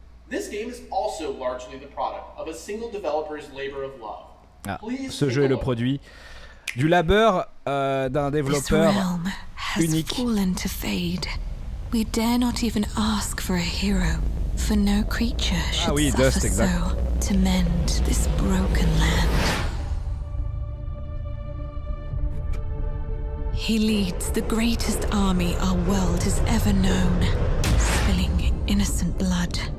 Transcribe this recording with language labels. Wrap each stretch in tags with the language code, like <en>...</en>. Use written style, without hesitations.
<en>This game is also largely the product of a single developer's labor of love.</en> <fr>Ah, ce jeu est le produit du labeur d'un développeur unique.</fr> <en>We dare not even ask for a hero, for no creature should suffer so to mend this broken land. He leads the greatest army our world has ever known, spilling innocent blood.</en>